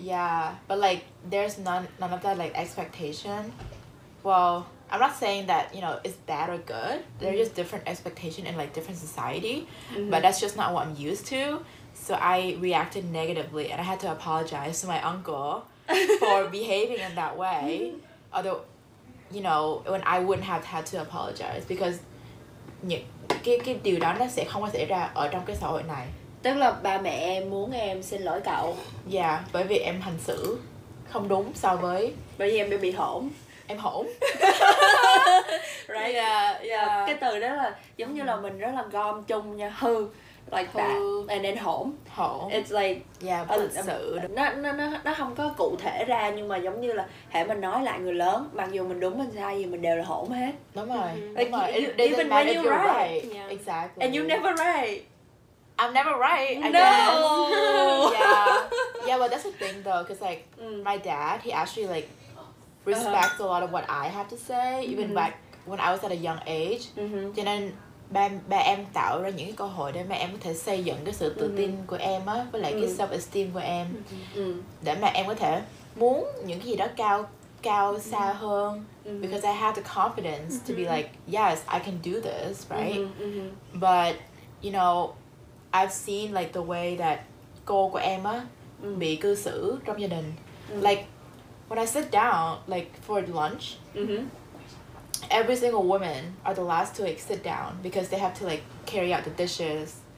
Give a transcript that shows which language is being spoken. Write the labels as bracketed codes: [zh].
[en] Yeah, but like there's none of that like expectation. Well, I'm not saying that, you know, it's bad or good. Mm-hmm. There's just different expectation in like different society. Mm-hmm. But that's just not what I'm used to. So I reacted negatively and I had to apologize to my uncle for behaving in that way. Mm-hmm. Although, you know, when I wouldn't have had to apologize because [vi] cái điều đó nó sẽ không có xảy ra ở trong cái xã hội này. Tức là ba mẹ em muốn em xin lỗi cậu. Yeah, bởi vì em hành xử không đúng so với bởi vì em bị hổm. Em hổm. [en] Right. Yeah, yeah. [vi] Cái từ đó là giống như là mình rất là gom chung nha, hư. [en] Like [vi] hư. [en] That. And then hổm. [vi] Hổm. [en] It's like [vi] yeah, hành xử. Nó không có cụ thể ra nhưng mà giống như là hễ mình nói lại người lớn, mặc dù mình đúng mình sai gì mình đều là hổm hết. Đúng rồi. [en] Like, [vi] đúng rồi. [en] Even when you're right. Right. Yeah. Exactly. And you're never right. I'm never right. No. Yeah. Yeah, but that's the thing though, because like my dad, he actually like respects a lot of what I have to say, even mm-hmm. back when I was at a young age. Mm-hmm. [vi] Cho nên ba em tạo ra những cái cơ hội để mà em có thể xây dựng cái sự tự tin mm-hmm. của em á, với lại mm-hmm. cái self-esteem của em. Mm-hmm. Để mà em có thể muốn những cái gì đó cao mm-hmm. xa hơn. Mm-hmm. [en] Because I have the confidence mm-hmm. to be like, yes, I can do this, right? Mm-hmm. But, you know, I've seen like the way that [vi] cô của em á mm-hmm. bị cư xử trong gia đình. Mm-hmm. [en] Like, when I sit down, like, for lunch, mm-hmm. every single woman are the last to, like, sit down because they have to, like, carry out the dishes.